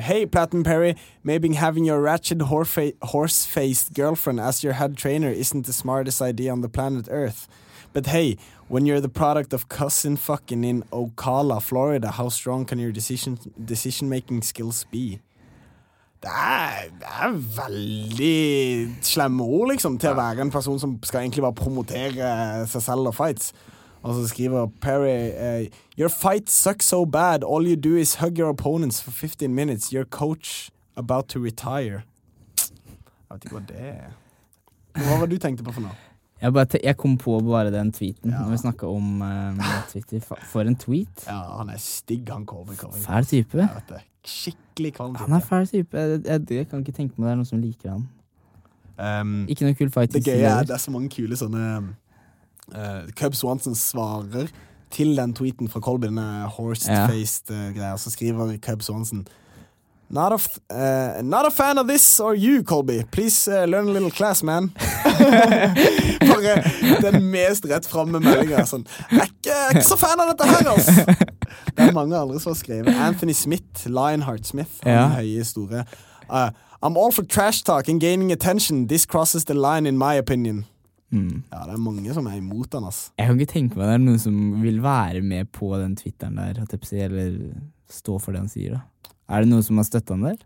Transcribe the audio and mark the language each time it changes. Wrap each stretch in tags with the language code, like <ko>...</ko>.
<en>Hey Platten Perry, maybe having your ratchet horse-faced girlfriend as your head trainer isn't the smartest idea on the planet Earth. But hey, when you're the product of cousin fucking in Ocala, Florida, how strong can your decision-making skills be?</en> <no>Det er veldig slemme ord, liksom, til å være en person som skal egentlig bare promotere seg selv og fights. Og så skriver Perry,</no> <en>your fight sucks so bad, all you do is hug your opponents for 15 minutes, your coach about to retire.</en> <no>Jeg vet ikke hva det er. Hva var det du tenkte på for nå? Jeg kom på bare den tweeten, ja. Når vi snakket om Twitter. For en tweet? Ja, han er stygg, han kommer. Fæl type. Skikkelig kvalitet. Han er fæl type, jeg kan ikke tenke meg det er noen som liker han. Ikke noen kul fight. Det gøy er, det er så mange kule sånne... Cub Swanson svarer til den tweeten fra Colby, den horse-faced greia, så skriver Cub Swanson,</no> <en>not a fan of this or you, Colby. Please learn a little class, man.</en> <no>Bare den mest rett fremme meldingen er sånn, jeg er ikke så fan av dette her, altså. Det er mange andre som har skrevet. Anthony Smith, Lionheart Smith, den høye store.</no> <en>I'm all for trash talk and gaining attention. This crosses the line in my opinion. Mm.</en> <no>Ja, det er mange som er imot han, ass. Jeg kan ikke tenke meg at det er noen som vil være med på den Twitteren der, eller stå for det han sier, da. Er det noen som har støttet han der?</no>